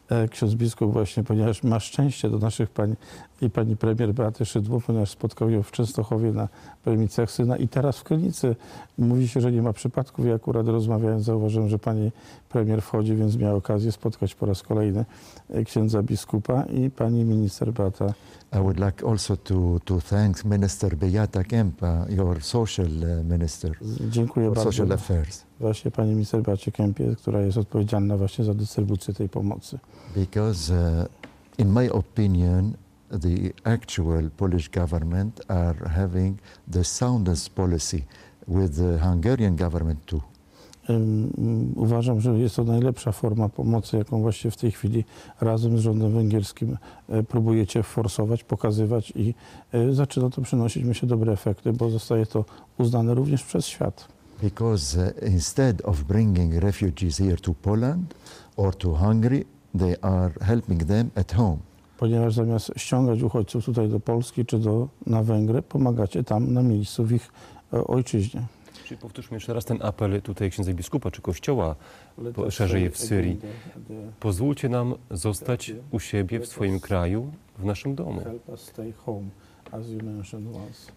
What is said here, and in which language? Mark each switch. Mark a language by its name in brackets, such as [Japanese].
[Polish] Ksiądz biskup właśnie, ponieważ ma szczęście do naszych pań i pani premier Beaty Szydło, ponieważ spotkał ją w Częstochowie na premicach syna i teraz w Krynicy. Mówi się, że nie ma przypadków. Ja akurat rozmawiając zauważyłem, że pani premier wchodzi, więc miała okazję spotkać po raz kolejny księdza biskupa i pani minister Beata. [English] I would like also to thank minister Beata Kempa, your social minister. [Polish] Dziękuję bardzo. [English] Social affairs. [Polish] Właśnie pani minister Beacie Kempie, która jest odpowiedzialna właśnie za dystrybucję tej pomocy. [English] Because in my opinion, the actual Polish government are having the soundest policy with the Hungarian government too. [Polish] Uważam, że jest to najlepsza forma pomocy, jaką właśnie w tej chwili razem z rządem węgierskim próbujecie forsować, pokazywać i zaczyna to przynosić, myślę, dobre efekty, bo zostaje to uznane również przez świat. [English] Because instead of bringing refugees here to Poland or to Hungary, they are helping them at home. [Polish] Ponieważ zamiast ściągać uchodźców tutaj do Polski czy na Węgry, pomagacie tam na miejscu w ich ojczyźnie. Czyli powtórzmy jeszcze raz ten apel tutaj księdza biskupa czy kościoła szerzej w Syrii. Pozwólcie nam zostać u siebie, w swoim kraju, w naszym domu. [English] Help us stay home, as you mentioned once.